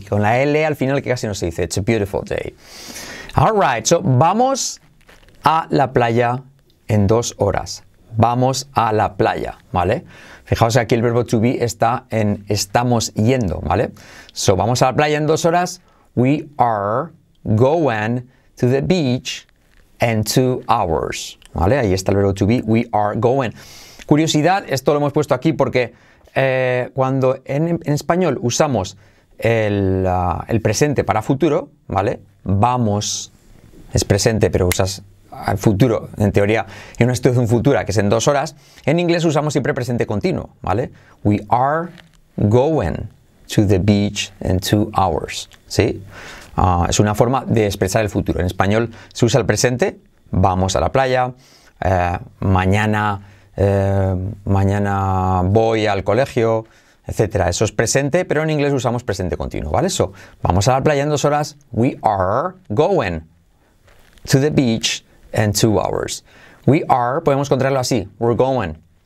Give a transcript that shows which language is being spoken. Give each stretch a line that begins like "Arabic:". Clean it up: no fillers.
Spanish: Con la L al final que casi no se dice.
English: It's a beautiful day. All right, so
Spanish: vamos a la playa en 2 horas. Vamos a la playa, ¿vale? Fijaos que aquí el verbo to be está en estamos yendo, ¿vale? So vamos a la playa en 2 horas.
English: We are going to the beach and 2 hours, ¿vale?
Spanish: Ahí está el verbo to be,
English: we are going.
Spanish: Curiosidad, esto lo hemos puesto aquí porque cuando en español usamos el presente para futuro, ¿vale? Vamos, es presente, pero usas el futuro, en teoría, en una situación futura, que es en 2 horas, en inglés usamos siempre presente continuo, ¿vale?
English: We are going to the beach in 2 hours, ¿sí?
Spanish: Es una forma de expresar el futuro. En español se usa el presente. Vamos a la playa. Mañana voy al colegio, etc. Eso es presente, pero en inglés usamos presente continuo, ¿vale? So, vamos a la playa en 2 horas.
English: We are going to the beach in 2 hours. We are,
Spanish: podemos contraerlo así.
English: We're going.